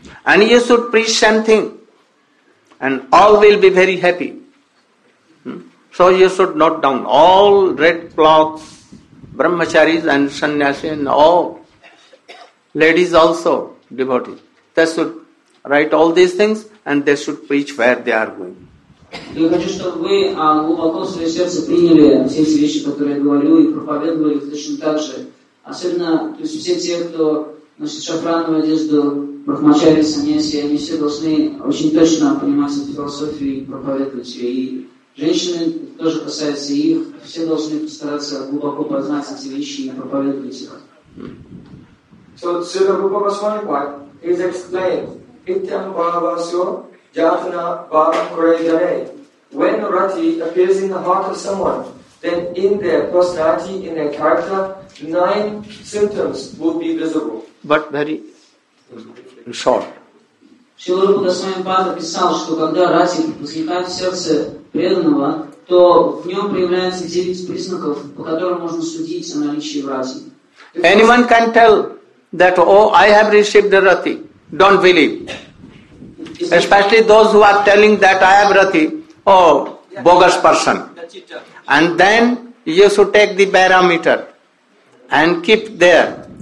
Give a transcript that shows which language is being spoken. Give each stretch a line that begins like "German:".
English: And you should preach same thing. And all will be very happy. So you should note down all red cloths, brahmacharis and sannyasis and all ladies also, devotees. They should write all these things and they should preach where they are going.
Russian: Я хочу, чтобы вы глубоко в свое сердце приняли все эти вещи, которые я говорю и проповедовали точно так же. Особенно, то есть все те, кто носит шафрановую одежду, Брахмачари, саньяси, они все должны очень точно понимать эту философию и проповедовать ее. И женщины тоже касается их, все должны постараться глубоко познать эти вещи и проповедовать их.
English: So Srila Rupa Goswami Pai is explained,
Sanskrit: Ityam Bhavasyo Jatana Bhavam Kurejane.
English: When Rati appears in the heart of someone, then in their personality, in their character, nine symptoms will be visible. But very short.
Russian: Srila Rupa Goswami Pada писал, что когда рати возникает в сердце преданного, то в нем проявляется 9 признаков, по которым можно судить о наличии в рати.
English: Anyone can tell that, oh, I have received the rati. Don't believe. Especially those who are telling that I have rati, oh, bogus person. And then you should take the barometer and keep there.